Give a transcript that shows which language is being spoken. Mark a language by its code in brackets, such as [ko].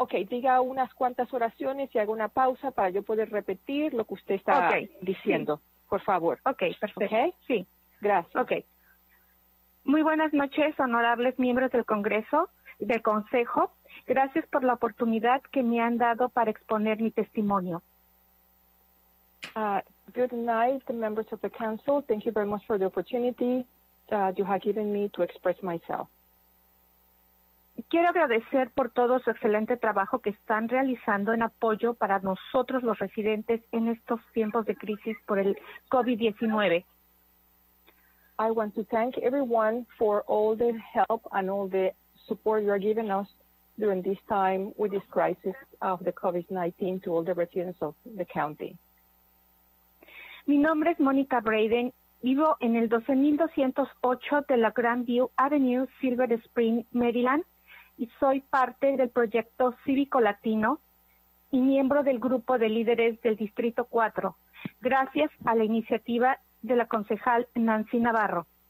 [es] Diga unas cuantas oraciones y haga una pausa para yo poder repetir lo que usted está diciendo, por favor. Ok, perfecto. [en] Okay. [es] Sí. Gracias. Ok. Muy buenas noches, honorables miembros del Congreso, del Consejo. Gracias por la oportunidad que me han dado para exponer mi testimonio. [en] Good night, members of the council. Thank you very much for the opportunity that you have given me to express myself. [es] Quiero agradecer por todo su excelente trabajo que están realizando en apoyo para nosotros los residentes en estos tiempos de crisis por el COVID-19. [en] I want to thank everyone for all the help and all the support you are giving us during this time with this crisis of the COVID-19 to all the residents of the county. [es] Mi nombre es Monica Braden. Vivo en el 12208 de la Grand View Avenue, Silver Spring, Maryland, y soy parte del proyecto Cívico Latino y miembro del grupo de líderes del Distrito 4, gracias a la iniciativa de la concejal Nancy Navarro.